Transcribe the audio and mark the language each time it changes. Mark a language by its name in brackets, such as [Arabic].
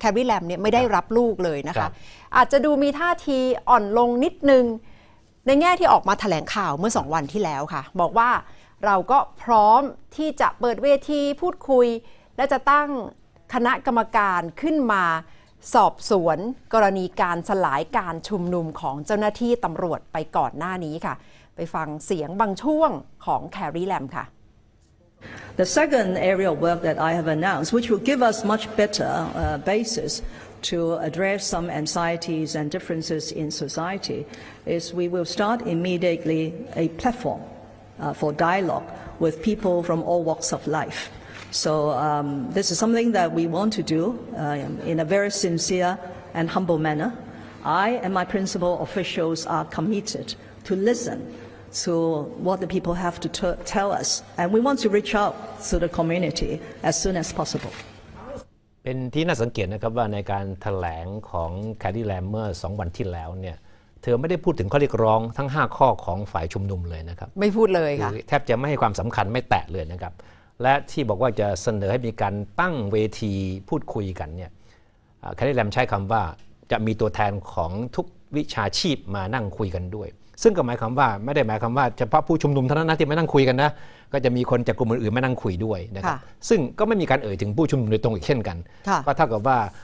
[Thai] ลมเนี่ยไม่ได้รับลูกเลยนะคะอาจจะดูมีท่าทีอ่อนลงนิดนึงในแง่ที่ออกมาแถลงข่าวเมื่อ2วันที่แล้วค่ะบอกว่าเราก็พร้อมที่จะเปิดเวทีพูดคุยและจะตั้งคณะกรรมการขึ้นมาสอบสวนกรณีการสลายการชุมนุมของเจ้าหน้าที่ตำรวจไปก่อนหน้านี้ค่ะ ไปฟังเสียงบางช่วงของแครีแลมค่ะ [English] The second area of work that I have announced which will give us much better basisTo address some anxieties and differences in society, is we will start immediately a platform for dialogue with people from all walks of life. So this is something that we want to do in a very sincere and humble manner. I and my principal officials are committed to listen to what the people have to tell us, and we want to reach out to the community as soon as possible. [Thai] เป็นที่น่าสังเกตนะครับว่าในการแถลงของแครีแลมเมอร์2วันที่แล้วเนี่ยเธอไม่ได้พูดถึงข้อเรียกร้องทั้ง5ข้อของฝ่ายชุมนุมเลยนะครับ ไม่พูดเลยค่ะ แทบจะไม่ให้ความสำคัญไม่แตะเลยนะครับและที่บอกว่าจะเสนอให้มีการตั้งเวทีพูดคุยกันเนี่ยแครีแลมใช้คำว่าจะมีตัวแทนของทุกวิชาชีพมานั่งคุยกันด้วยซึ่งก็หมายความว่าไม่ได้หมายความว่าเฉพาะผู้ชุมนุมเท่านั้นนะที่มานั่งคุยกันนะก็จะมีคนจากกลุ่มอื่นๆมานั่งคุยด้วยนะครับซึ่งก็ไม่มีการเอ่ยถึงผู้ชุมนุมโดยตรงอีกเช่นกันก็เท่ากับว่า